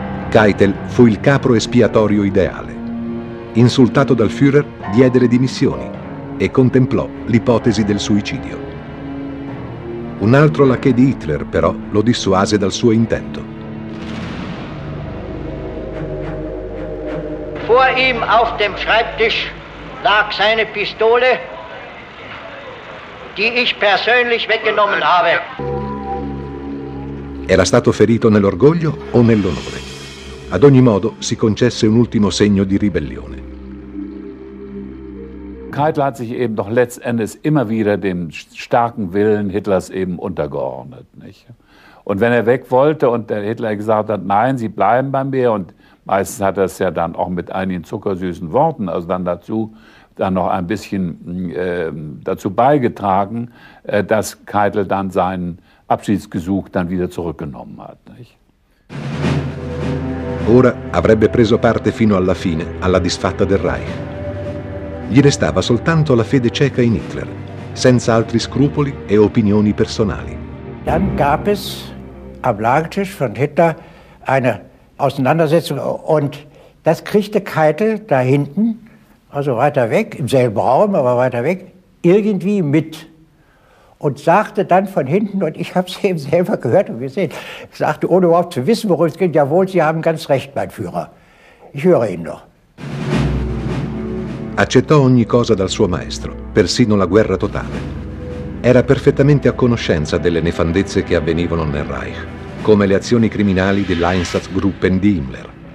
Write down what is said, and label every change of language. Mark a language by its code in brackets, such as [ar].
[it] Keitel fu il capro espiatorio ideale. Insultato dal Führer, diede le dimissioni e contemplò l'ipotesi del suicidio. Un altro laché di Hitler, però, lo dissuase dal suo intento. [de] Vor ihm auf dem Schreibtisch lag seine Pistole, die ich persönlich weggenommen habe. [it] Era stato ferito nell'orgoglio o nell'onore? Ad ogni modo, si concesse un ultimo segno di ribellione. [de] Keitel hat sich eben doch letztendlich immer wieder dem starken Willen Hitlers eben untergeordnet, nicht? Und wenn er weg wollte und der Hitler gesagt hat, nein, Sie bleiben bei mir, und meistens hat er es ja dann auch mit einigen zuckersüßen Worten, also dann dazu dann noch ein bisschen dazu beigetragen, dass Keitel dann seinen Abschiedsgesuch dann wieder zurückgenommen hat, nicht? [it] Ora avrebbe preso parte fino alla fine alla disfatta del Reich. Gli restava soltanto la fede cieca in Hitler, senza altri scrupoli e opinioni personali. [de] Dann gab es am Lagertisch von Hitler eine Auseinandersetzung, und das kriegte Keitel da hinten, also weiter weg, im selben Raum, aber weiter weg, irgendwie mit. Und sagte dann von hinten, und ich habe es eben selber gehört und gesehen, sagte, ohne überhaupt zu wissen, worum es geht, jawohl, Sie haben ganz recht, mein Führer. Ich höre ihn noch. [it] Accettò ogni cosa dal suo maestro, persino la guerra totale. Era perfettamente a conoscenza delle nefandezze che avvenivano nel Reich, come le azioni criminali dell'Einsatzgruppen di Himmler.